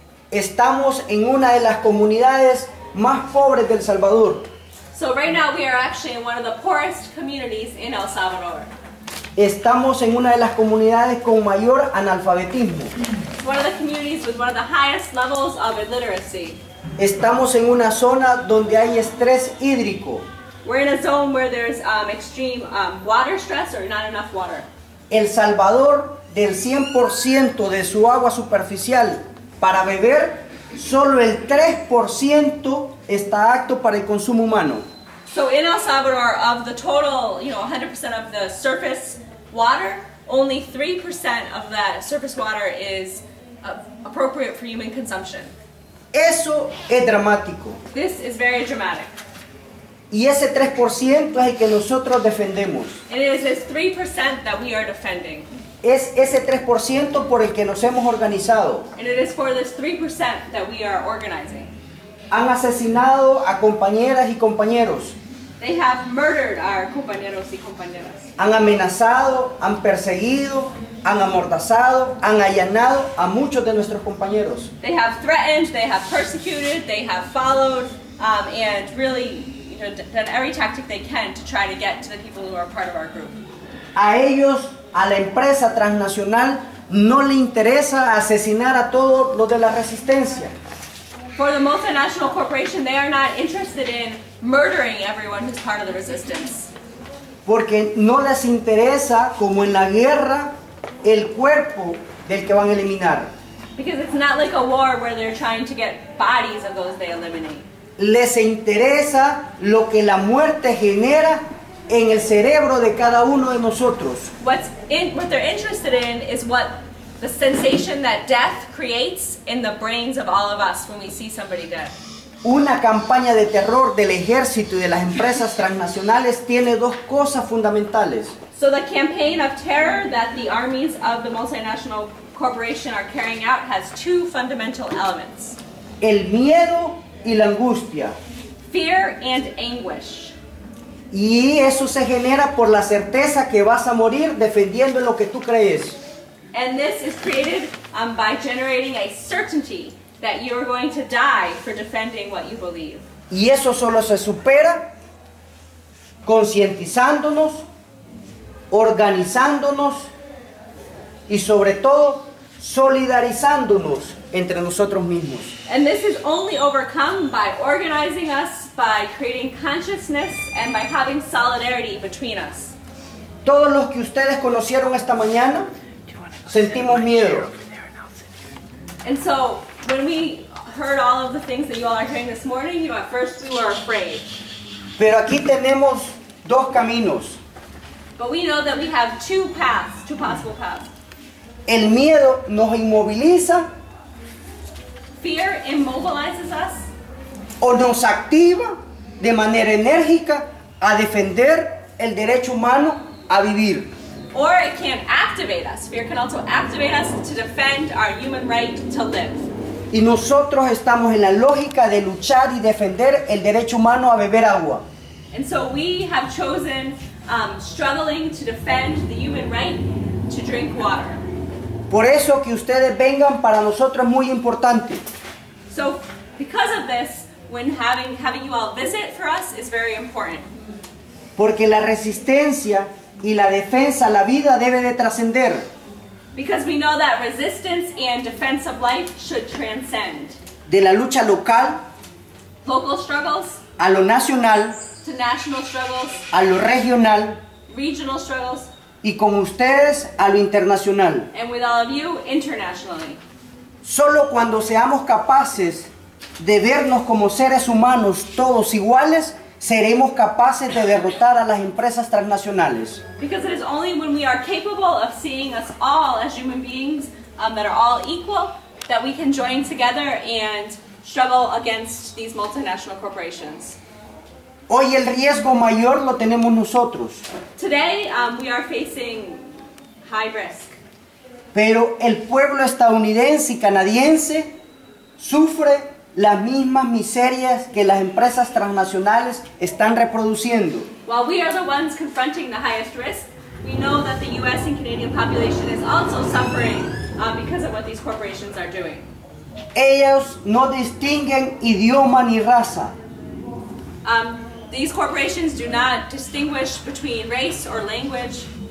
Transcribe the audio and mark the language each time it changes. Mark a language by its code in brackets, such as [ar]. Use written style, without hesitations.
[es] Estamos en una de las comunidades más pobres del Salvador. [en] So right now we are actually in one of the poorest communities in El Salvador. [es] Estamos en una de las comunidades con mayor analfabetismo. [en] One of the communities with one of the highest levels of illiteracy. [es] Estamos en una zona donde hay estrés hídrico. [en] We're in a zone where there's extreme water stress or not enough water. [es] El Salvador, del 100% de su agua superficial para beber, solo el 3% está apto para el consumo humano. [en] So in El Salvador, of the total, you know, 100% of the surface water, only 3% of that surface water is appropriate for human consumption. [es] Eso es dramático. [en] This is very dramatic. [es] Y ese 3% es el que nosotros defendemos. [en] And it is this 3% that we are defending. [es] Es ese 3% por el que nos hemos organizado. [en] And it is for this 3% that we are organizing. [es] Han asesinado a compañeras y compañeros. [en] They have murdered our [es] compañeros y compañeras. Han amenazado, han perseguido, han amordazado, han allanado a muchos de nuestros compañeros. [en] They have threatened, they have persecuted, they have followed, and really, you know, done every tactic they can to try to get to the people who are part of our group. [es] A ellos, a la empresa transnacional, no le interesa asesinar a todos los de la resistencia. [en] For the multinational corporation, they are not interested in murdering everyone who's part of the resistance. [es] Porque no les interesa, como en la guerra, el cuerpo del que van a eliminar. [en] Because it's not like a war where they're trying to get bodies of those they eliminate. [es] Les interesa lo que la muerte genera en el cerebro de cada uno de nosotros. [en] What they're interested in is what the sensation that death creates in the brains of all of us when we see somebody dead. [es] Una campaña de terror del ejército y de las empresas transnacionales tiene dos cosas fundamentales. [en] So the campaign of terror that the armies of the multinational corporation are carrying out has two fundamental elements. [es] El miedo y la angustia. [en] Fear and anguish. [es] Y eso se genera por la certeza que vas a morir defendiendo lo que tú crees. [en] And this is created by generating a certainty that you are going to die for defending what you believe. [es] Y eso solo se supera concientizándonos, organizándonos y sobre todo solidarizándonos entre nosotros mismos. [en] And this is only overcome by organizing us, by creating consciousness, and by having solidarity between us. [es] Todos los que ustedes conocieron esta mañana sentimos miedo. [en] And so when we heard all of the things that you all are hearing this morning, you know, at first we were afraid. [es] Pero aquí tenemos dos caminos. [en] But we know that we have two paths, two possible paths. [es] El miedo nos inmoviliza. [en] Fear immobilizes us. [es] O nos activa de manera enérgica a defender el derecho humano a vivir. [en] Or it can activate us. Fear can also activate us to defend our human right to live. [es] Y nosotros estamos en la lógica de luchar y defender el derecho humano a beber agua. [en] And so we have chosen struggling to defend the human right to drink water. [es] Por eso que ustedes vengan para nosotros es muy importante. [en] So because of this, when having you all visit for us is very important. [es] Porque la resistencia y la defensa a la vida debe de trascender. [en] Because we know that resistance and defense of life should transcend. [es] De la lucha local, [en] local struggles, [es] a lo nacional, [en] to national struggles, [es] a lo regional, [en] regional struggles, [es] y con ustedes a lo internacional. [en] And with all of you, internationally. [es] Solo cuando seamos capaces de vernos como seres humanos todos iguales, seremos capaces de derrotar a las empresas transnacionales. [en] Because it is only when we are capable of seeing us all as human beings that are all equal that we can join together and struggle against these multinational corporations. [es] Hoy el riesgo mayor lo tenemos nosotros. [en] Today we are facing high risk. [es] Pero el pueblo estadounidense y canadiense sufre las mismas miserias que las empresas transnacionales están reproduciendo. [en] While we are the ones confronting the highest risk, we know that the US and Canadian population is also suffering because of what these corporations are doing. [es] Ellos no distinguen idioma ni raza. [en] These corporations do not distinguish between race or language.